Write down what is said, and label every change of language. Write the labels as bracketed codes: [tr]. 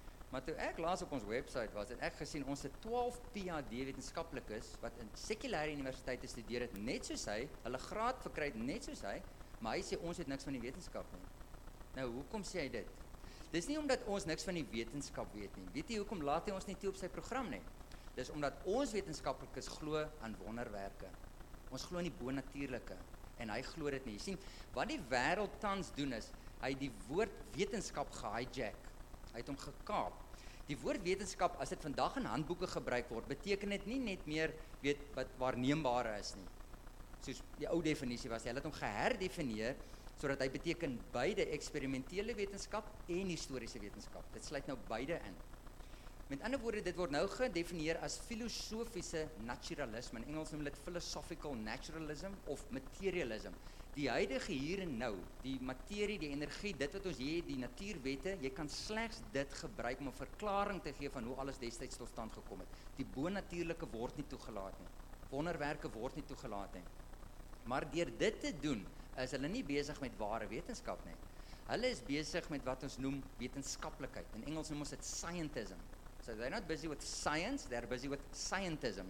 [af] Maar toe ek laas op ons website was, het ek gesien ons het 12 PhD wetenskaplikes wat in sekulêre universiteite studeer het, net soos hy, hulle graad verkry het net soos hy, maar hy sê ons het niks van die wetenskap nie. Nou hoekom sê hy dit? Dis nie omdat ons niks van die wetenskap weet nie. Weet jy hoekom laat hy ons nie toe op sy program nie? Dis omdat ons wetenskaplikes glo aan wonderwerke. Ons glo in die bonatuurlike en hy glo dit nie. Jy sien, wat die wêreld tans doen is, hy het die woord wetenskap gehijack. Hy het hom gekaap. Die woord wetenskap, as dit vandag in handboeke gebruik word, beteken dit nie net meer weet wat waarneembaar is nie. Soos die ou definisie was, hy het hom geherdefinieer, sodat hy beteken beide eksperimentele wetenskap en historiese wetenskap. Dit sluit nou beide in. Met ander woorde, dit word nou gedefinieer as filosofiese naturalisme. In Engels noem dit philosophical naturalism of materialism. Die huidige hier en nou, die materie, die energie, dit wat ons hier, die natuurwette, jy kan slegs dit gebruik om 'n verklaring te gee van hoe alles destyds tot stand gekom het. Die bonatuurlike word nie toegelaat nie. Wonderwerke word nie toegelaat nie. Maar deur dit te doen, is hulle nie besig met ware wetenskap nie. Hulle is besig met wat ons noem wetenskaplikheid. In Engels noem ons dit scientism. [en] So they're not busy with science, they're busy with scientism.